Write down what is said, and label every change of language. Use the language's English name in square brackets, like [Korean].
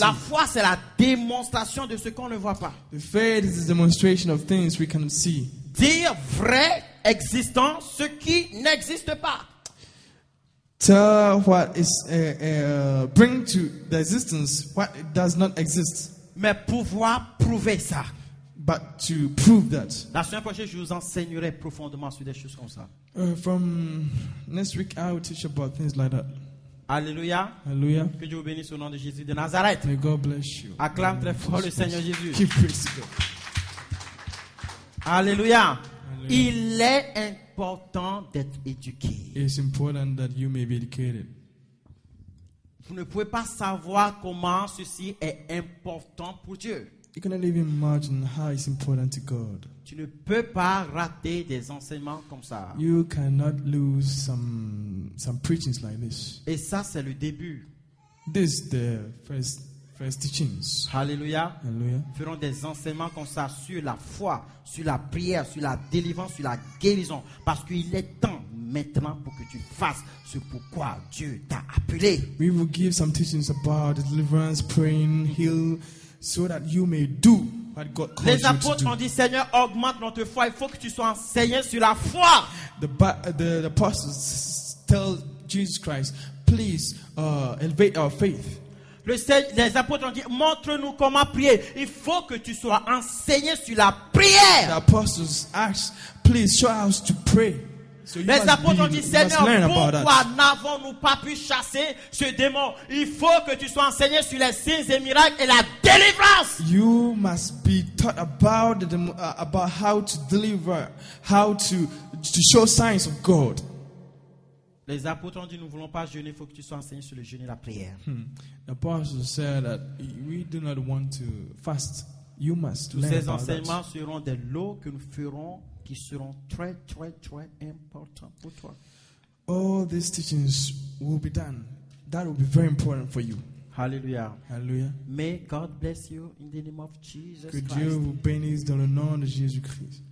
[French] La foi, c'est la démonstration de ce qu'on ne voit pas. [English] The faith is the demonstration of things we cannot see. [French] Dire vrai existant ce qui n'existe pas. [English] Tell what is bring to the existence what does not exist. [French] Mais pouvoir prouver ça. [English] But to prove that. [French] La semaine prochaine, je vous enseignerai profondément sur des choses comme ça. [English] From next week, I will teach about things like that. Alléluia. Alléluia. [French] Que Dieu vous bénisse au nom de Jésus de Nazareth. [English] May God bless you. [French] Acclame Amen. Très fort Amen. Le Seigneur Jésus. [English] Keep praising God. [French] Alléluia. Il est important d'être éduqué. [English] It's important that you may be educated. [French] Vous ne pouvez pas savoir comment ceci est important pour Dieu. [English] You cannot even imagine how it's important to God. [French] Tu ne peux pas rater des enseignements comme ça. [English] You cannot lose some preachings like this. [French] Et ça, c'est le début. [English] This is the first teachings. Hallelujah. Hallelujah. [French] Ferons des enseignements comme ça sur la foi, sur la prière, sur la délivrance, sur la guérison. Parce qu'il est temps maintenant pour que tu fasses ce pourquoi Dieu t'a appelé. [English] We will give some teachings about deliverance, praying, healing, so that you may do what God calls you to do. [French] Les apôtres ont dit, Seigneur, augmente notre foi. Il faut que tu sois enseigné sur la foi. [English] The apostles tell Jesus Christ, please elevate our faith. [French] Les apôtres ont dit, montre-nous comment prier. Il faut que tu sois enseigné sur la prière. [English] The apostles asked, please show us to pray. [French] Les apôtres ont dit, Seigneur, pourquoi n'avons-nous pas pu chasser ce démon? Il faut que tu sois enseigné sur les signes et miracles et la délivrance. [English] You must be taught about the about how to deliver, how to show signs of God. [French] Les apôtres ont dit, nous ne voulons pas jeûner, il faut que tu sois enseigné sur le jeûne et la prière. [English] The apostles said that we do not want to fast. You must learn. [French] Ces enseignements seront des lots que nous ferons qui seront très très très importants pour toi. [English] All these teachings will be done. That will be very important for you. Hallelujah. Hallelujah. May God bless you in the name of Jesus Could Christ. [French] Que Dieu vous bénisse dans le nom de Jésus-Christ.